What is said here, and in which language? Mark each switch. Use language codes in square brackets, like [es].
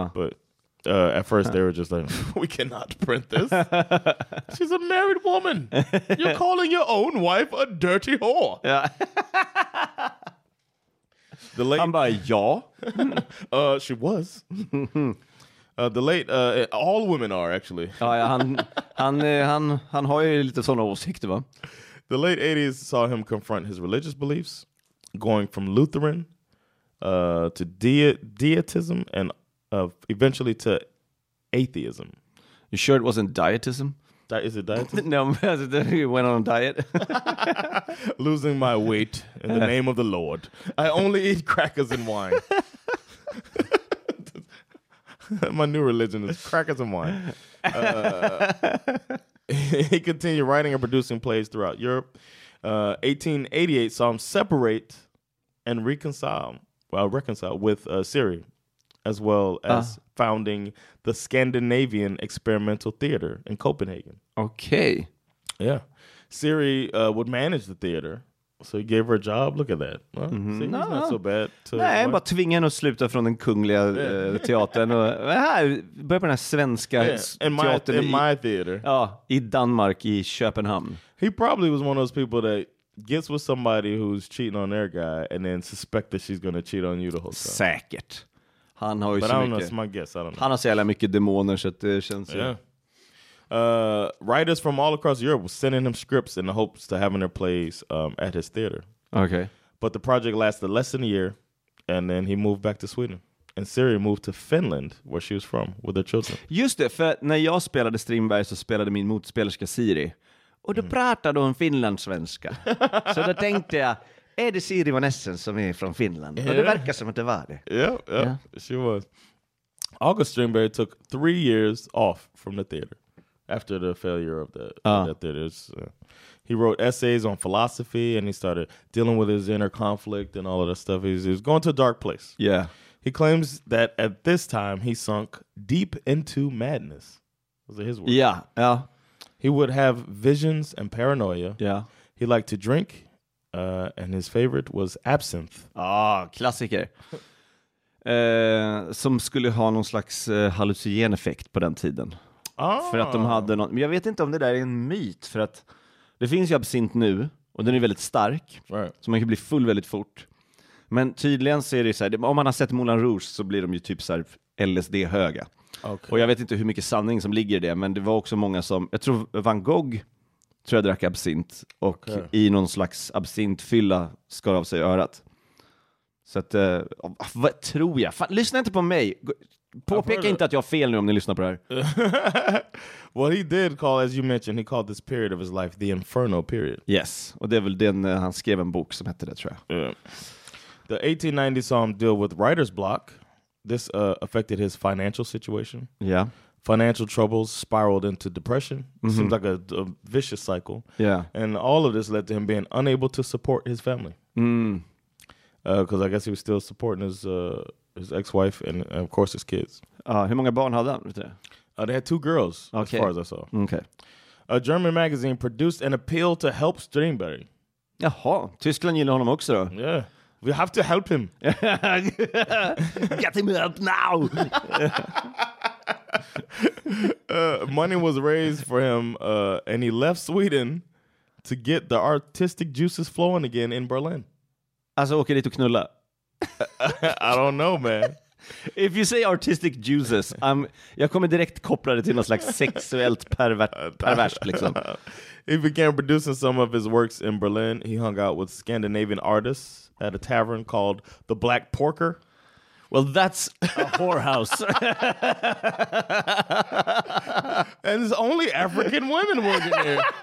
[en] But at first they were just like, we cannot print this. She's a married woman. You're calling your own wife a dirty whore. Yeah. The late, I'm by y'all. She was. The late, all women are actually. [sv] han har ju lite såna åsikter, va? [en] The late 80s saw him confront his religious beliefs, going from Lutheran to deism and eventually to atheism. You sure it wasn't dietism? Is it diet? No, he went on a diet. Losing my weight in the name of the Lord. I only eat crackers and wine. My new religion is crackers and wine. He continued writing and producing plays throughout Europe. 1888 saw him separate and reconcile with Siri, as well as founding the Scandinavian Experimental Theater in Copenhagen. Okay. Yeah. Siri would manage the theater, so he gave her a job. Look at that. Well, mm-hmm. See, it's not so bad. [sv] Nej, bara tvinga henne att sluta från den kungliga teatern. Och, här, börja på den här svenska teatern. [en] In my theater. [sv] Ja, i Danmark, i Köpenhamn. [en] He probably was one of those people that gets with somebody who's cheating on their guy and then suspect that she's going to cheat on you the whole time. [sv] Säkert. Han har ju Han har så jävla mycket demoner så att det känns ju. [en] Writers from all across Europe were sending him scripts in the hopes to having their plays at his theater. Okay. But the project lasted less than a year and then he moved back to Sweden. And Siri moved to Finland where she was from with her children. [sv] Just det, för när jag spelade Strindberg så spelade min motspelerska Siri. Och då pratade hon finlandssvenska. Så då tänkte jag, är det Siri Vanessen som är från Finland? [en] Yeah. [sv] Och det verkar som att det var det. [en] Yeah. She was. August Strindberg took 3 years off from the theater after the failure of that theater. He wrote essays on philosophy and he started dealing with his inner conflict and all of that stuff. He's going to a dark place. Yeah. He claims that at this time he sunk deep into madness. Those are his words. Yeah. Yeah. He would have visions and paranoia. Yeah. He liked to drink. And his favorite was absinthe. [sv] Ah, klassiker. Som skulle ha någon slags hallucinogen effekt på den tiden. För att de hade något. Men jag vet inte om det där är en myt. För att det finns ju absinthe nu. Och den är väldigt stark. [en] Right. [sv] Så man kan bli full väldigt fort. Men tydligen så är det så här. Om man har sett Moulin Rouge så blir de ju typ så här LSD-höga. [en] Okay. [sv] Och jag vet inte hur mycket sanning som ligger i det. Men det var också många som, jag tror Van Gogh, tror jag drack absint och i någon slags absintfylla skar av sig örat. Så att, vad tror jag? Fan, lyssna inte på mig. Påpeka inte att jag har fel nu om ni lyssnar på det här. [en] What he did call, as you mentioned, he called this period of his life the Inferno period. Yes, [sv] och det är väl den han skrev en bok som hette det, tror jag. [en] Yeah. The 1890s saw him deal with writer's block. This affected his financial situation. Yeah. Financial troubles spiraled into depression. Mm-hmm. Seems like a vicious cycle. Yeah. And all of this led to him being unable to support his family. Because I guess he was still supporting his ex-wife and, of course, his kids. [sv] Hur många barn hade han? [en] They had 2 girls, okay. As far as I saw. Okay. A German magazine produced an appeal to help Strindberg. [sv] Jaha, Tyskland gillar honom också då. [en] Yeah. We have to help him. Get him help now. money was raised for him and he left Sweden to get the artistic juices flowing again in Berlin. [sv] Alltså åker dit och knulla. [en] I don't know, man. If you say artistic juices, [sv] jag kommer direkt koppla det till något slags sexuellt perverst liksom. [en] He began producing some of his works in Berlin. He hung out with Scandinavian artists at a tavern called The Black Porker. Well, that's a whorehouse. And it's only African women working here.